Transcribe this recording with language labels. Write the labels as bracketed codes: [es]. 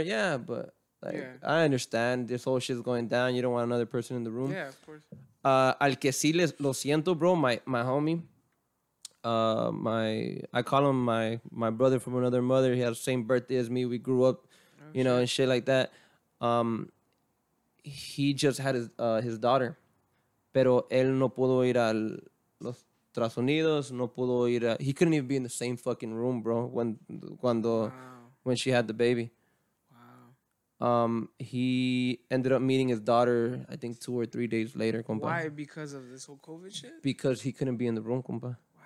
[en] Yeah, but, like, I understand. This whole shit's going down. You don't want another person in the room. Yeah, of course. [es] Al que sí les lo siento, [en] bro, my homie. I call him my brother from another mother. He has the same birthday as me. We grew up, you know, and shit like that. He just had his daughter. [es] Pero él no pudo ir a los Estados Unidos. No pudo ir a, [en] he couldn't even be in the same fucking room, bro, when she had the baby. He ended up meeting his daughter, I think, 2 or 3 days later, compa. Why? Because of this whole COVID shit? Because he couldn't be in the room, compa.